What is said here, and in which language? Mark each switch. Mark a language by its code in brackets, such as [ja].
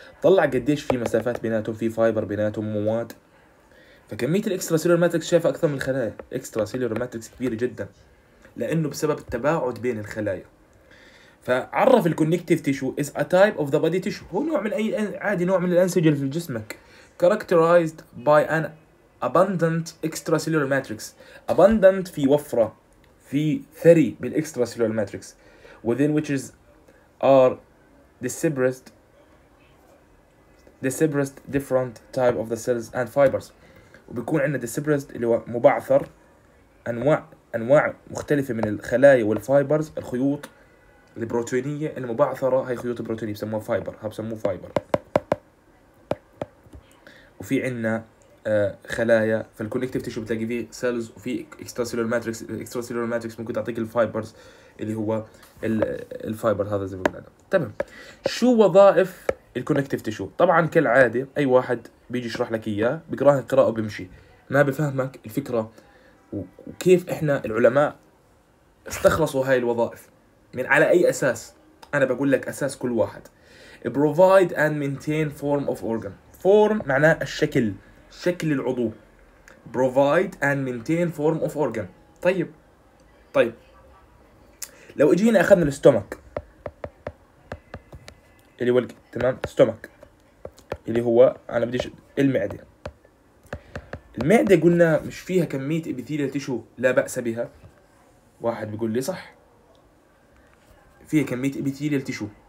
[ar] طلع قديش في مسافات بيناتهم، في فايبر بيناتهم، مواد. فكميه الاكسترا سيلولر ماتريكس شايفه اكثر من الخلايا، اكسترا سيلولر ماتريكس كبيره جدا لانه بسبب التباعد بين الخلايا. فعرف الكونكتيف تيشو [en] is a type of the body tissue, [ar] هو نوع من اي عادي نوع من الانسجه اللي في جسمك. [en] Characterized by an abundant extracellular matrix. [ar] Abundant في وفرة، في ثري بالextracellular matrix. [en] Within which is are dispersed different type of the cells and fibers. [ar] وبيكون عندنا dispersed اللي هو مبعثر أنواع مختلفة من الخلايا والفايبرز، الخيوط البروتينية المبعثرة. هاي خيوط بروتينية بسموها فايبر، ها بسموه فايبر. وفي عنا خلايا، فالكونكتيف تيشو بتلاقي فيه سيلز وفي اكسترسيلولر ماتريكس. الاكسترسيلولر ماتريكس ممكن تعطيك الفايبرز اللي هو الفايبر هذا زي ما قلنا. تمام، شو وظائف الكونكتيف تيشو؟ طبعا كالعاده اي واحد بيجي يشرح لك اياه بقراها قراءه وبيمشي، ما بفهمك الفكره وكيف احنا العلماء استخلصوا هاي الوظائف من على اي اساس. انا بقول لك اساس كل واحد [en] Provide and maintain form of organ. [ar] Form معناه الشكل، شكل العضو. [en] Provide and maintain form of organ. [ar] طيب لو اجينا اخذنا الستومك اللي هو تمام، ستومك اللي هو انا بديش المعدة. المعدة قلنا مش فيها كمية ابيثيليال تيشو لا بأس بها، واحد بيقول لي صح فيها كمية ابيثيليال تيشو.